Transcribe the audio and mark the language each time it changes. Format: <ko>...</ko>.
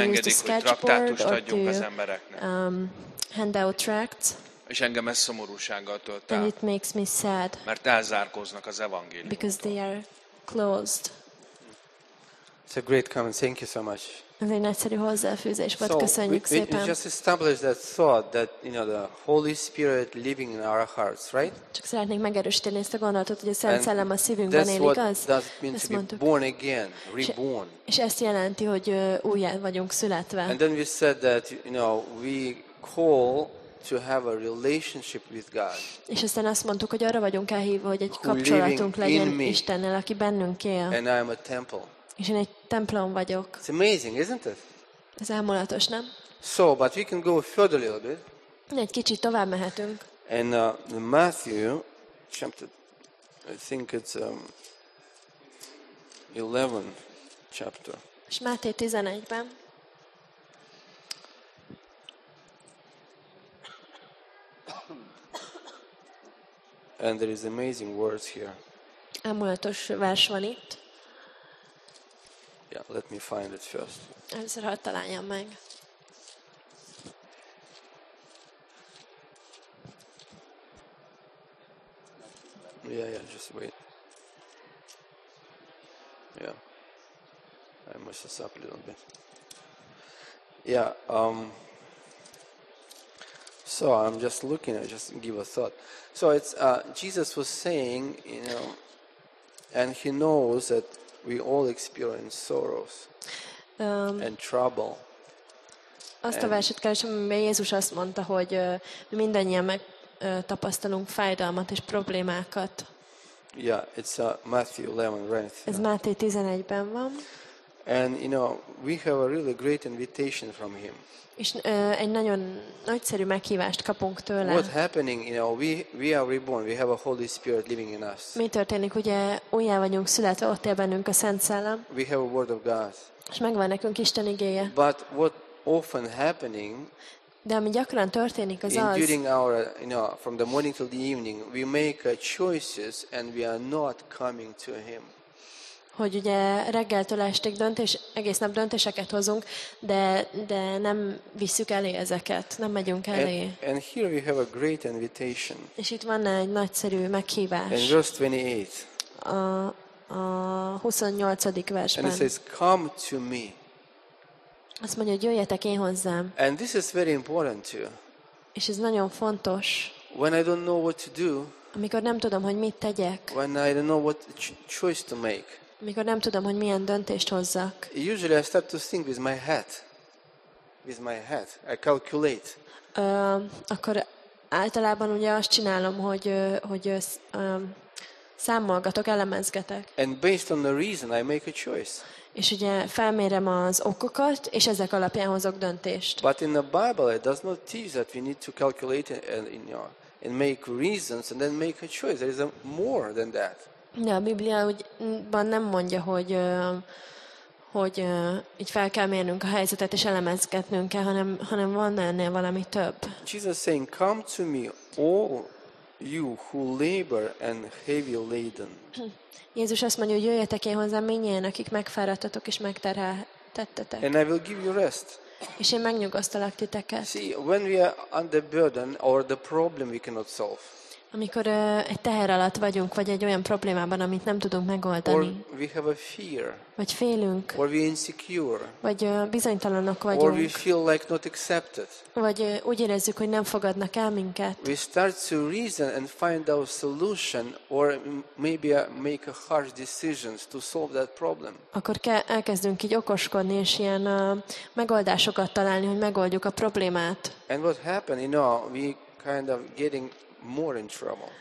<hu>engedik, hogy traktátust adjunk az embereknek.</hu> <en>Hand out tracts.</en> <hu>És engem ez szomorúsággal tölt</hu> <en>el. And it makes me sad.</en> <hu>Mert elzárkóznak az evangéliumtól.</hu> <en>Because they are closed. It's a great comment. Thank you so much.</en> <hu>Ez egy nagyszerű hozzáfűzés volt. Köszönjük szépen.</hu> <en>We just established that thought that you know the Holy Spirit living in our hearts, right?</en> <hu>Csak szeretnénk megerősíteni ezt a gondolatot, hogy a Szent Szellem a szívünkben él, igaz?</hu> <en>That's what does it mean to be born again, reborn.</en> <hu>És ezt jelenti, hogy újjá vagyunk születve.</hu> <en>And then we said that you know we call to have a relationship with God.</en> <hu>És aztán azt mondtuk, hogy arra vagyunk elhívva, hogy egy kapcsolatunk legyen Istennel, aki bennünk él.</hu> <en>And I am a temple.</en> <hu>És én egy templom vagyok.</hu> <en>It's amazing, isn't it?</en> <hu>Ez elmulatos, nem?</hu> <en>So, but we can go further a little bit.</en> <hu>Egy kicsit tovább mehetünk.</hu> <en>And Matthew chapter, I think it's 11 chapter.</en> <hu>És Máté 11-ben.</hu> <en>And there is amazing words here.</en> <hu>Elmulatos vers van itt.</hu> <en>Yeah, let me find it first. Először hadd találjam meg. Yeah, just wait. Yeah. I messed this up a little bit. Yeah, so I'm just looking, I just give a thought. So it's Jesus was saying, you know, and he knows that We all experience sorrows and trouble.</en> <hu>Azt a verset keresem, amiben Jézus azt mondta, hogy mindannyian megtapasztalunk fájdalmat és problémákat.</hu> <en>Yeah, it's Matthew 11, right?</en> <hu>Ez Máté 11-ben van.</hu> <en>And you know, we have a really great invitation from him.</en> <hu>És egy nagyon nagyszerű meghívást kapunk tőle.</hu> <en>What happening, you know, we are reborn, we have a Holy Spirit living in us.</en> <hu>Mi történik, ugye újjá vagyunk születve, ott él bennünk a Szent Szellem.</hu> <en>We have a word of God.</en> <hu>És megvan nekünk Isten igéje.</hu> <en>But what often happening,</en> <hu>de ami gyakran történik, az az,</hu> <en>during our, you know, from the morning till the evening, we make choices and we are not coming to him.</en> <hu>Hogy ugye reggeltől estig döntés, egész nap döntéseket hozunk, de nem visszük elé ezeket, nem megyünk elé.</hu> <en>And here we have a great invitation.</en> <hu>És itt van egy nagyszerű meghívás.</hu> <en>In verse 28.</en> <hu>A 28. versben.</hu> <en>And it says, come to me.</en> <hu>Azt mondja, hogy jöjjetek én hozzám.</hu> <en>And this is very important too.</en> <hu>És ez nagyon fontos.</hu> <en>When I don't know what to do.</en> <hu>Amikor nem tudom, hogy mit tegyek.</hu> <en>When I don't know what choice to make.</en> <hu>Mikor nem tudom, hogy milyen döntést hozzak.</hu> <en>Usually I start to think with my head. With my head. I calculate.</en> <hu>Akkor általában ugye azt csinálom, hogy számolgatok, elemezgetek.</hu> <en>And based on the reason I make a choice.</en> <hu>És ugye felmérem az okokat, és ezek alapján hozok döntést.</hu> <en>But in the Bible it does not teach that we need to calculate and make reasons and then make a choice. There is more than that.</en> <hu>De a Bibliában nem mondja, hogy így fel kell mérnünk a helyzetet és elemezgetnünk kell, hanem van ennél valami több.</hu> <en>Jesus saying, come to me all you who labor and heavy laden.</en> <hu>Jézus azt mondja, hogy jöjjetek én hozzám mindnyájan, akik megfáradtatok és megterheltettetek.</hu> <en>And I will give you rest.</en> <hu>És én megnyugosztalak titeket.</hu> <en>See, when we are under burden or the problem we cannot solve.</en> <hu>Amikor egy teher alatt vagyunk, vagy egy olyan problémában, amit nem tudunk megoldani.</hu> <en>Or we have a fear.</en> <hu>Vagy félünk.</hu> <en>Or we insecure.</en> <hu>Vagy bizonytalanok vagyunk.</hu> <en>Or we feel like not accepted.</en> <hu>Vagy úgy érezzük, hogy nem fogadnak el minket.</hu> <en>We start to reason and find our solution, or maybe make a harsh decisions to solve that problem.</en> <hu>Akkor elkezdünk így okoskodni és ilyen megoldásokat találni, hogy megoldjuk a problémát.</hu> <en>And what happened, you know, we kind of getting more in trouble.</en>